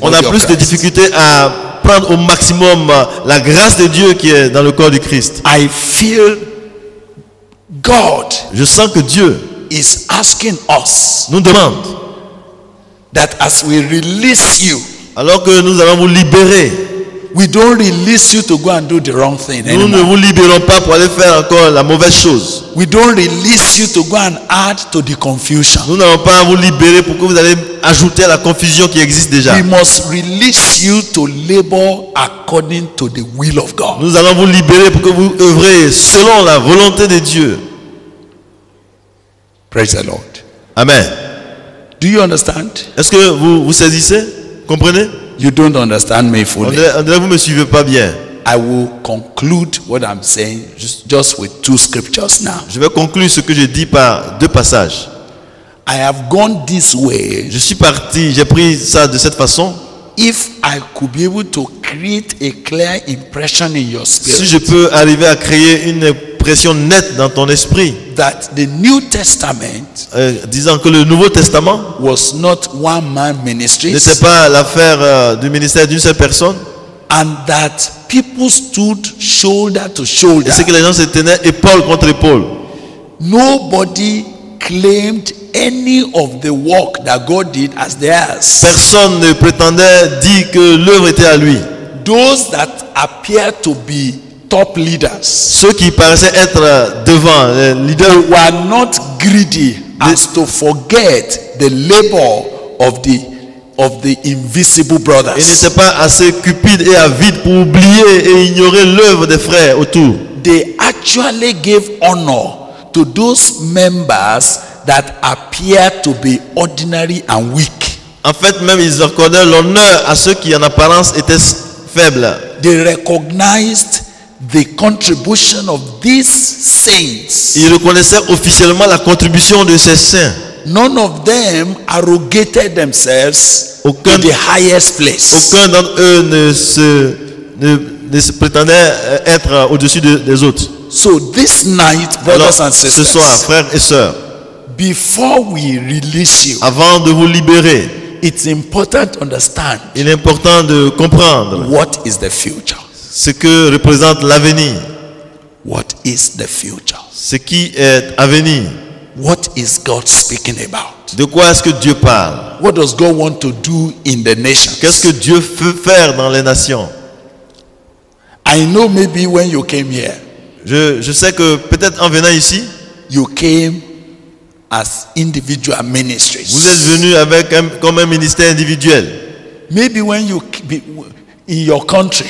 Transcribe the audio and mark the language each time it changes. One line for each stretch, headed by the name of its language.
French: On a plus de difficultés à prendre au maximum la grâce de Dieu qui est dans le corps du Christ.
English: I feel God,
French: je sens que Dieu
English: is asking us,
French: nous demande,
English: that as we release you,
French: alors que nous allons vous libérer,
English: we don't release you to go and do the wrong thing
French: nous
English: anymore.
French: Ne vous libérons pas pour aller faire encore la mauvaise chose.
English: We don't release you to go and add to the confusion.
French: Nous n'allons pas vous libérer pour que vous allez ajouter à la confusion qui existe déjà.
English: We must release you to labor according to the will of God.
French: Nous allons vous libérer pour que vous œuvrez selon la volonté de Dieu.
English: Praise the Lord. Amen. Do you understand?
French: Est-ce que vous saisissez? Comprenez?
English: You don't understand me fully.
French: André, vous me suivez pas bien.
English: I will conclude what I'm saying just with two scriptures now.
French: Je vais conclure ce que je dis par deux passages.
English: I have gone this way.
French: Je suis parti, j'ai pris ça de cette façon.
English: If I could be able to create a clear impression in your spirit.
French: Si je peux arriver à créer une impression nette dans ton esprit.
English: That the New Testament,
French: disant que le Nouveau Testament,
English: was not one man ministry.
French: N'était pas l'affaire du ministère d'une seule personne.
English: And that people stood shoulder to shoulder.
French: Et c'est que les gens se tenaient épaule contre épaule.
English: Nobody claimed any of the work that God did as theirs.
French: Personne ne prétendait dire que l'œuvre était à lui.
English: Those that appeared to be top leaders,
French: ceux qui paraissaient être devant, les leaders,
English: were not greedy. is to forget the labor of the invisible brothers.
French: Il n'était pas assez cupide et avide pour oublier et ignorer l'œuvre des frères autour.
English: They actually gave honor to those members that appeared to be ordinary and weak.
French: En fait, même ils accordaient l'honneur à ceux qui en apparence étaient faibles.
English: They recognized the contribution of these saints.
French: Ils reconnaissaient officiellement la contribution de ces saints.
English: None of them arrogated themselves to the highest place.
French: Aucun d'entre eux ne se prétendait être au-dessus des autres.
English: So this night, brothers and sisters,
French: ce soir, frères et sœurs,
English: before we release you,
French: avant de vous libérer,
English: it's important to understand.
French: Il est important de comprendre
English: what is the future.
French: Ce que représente l'avenir.
English: What is the future?
French: Ce qui est à venir.
English: What is God speaking about?
French: De quoi est-ce que Dieu parle?
English: What does God want to do in the nations?
French: Qu'est-ce que Dieu veut faire dans les nations?
English: I know maybe when you came here.
French: Je sais que peut-être en venant ici,
English: you came as individual ministries.
French: Vous êtes venu avec comme un ministère individuel.
English: Maybe when you in your country.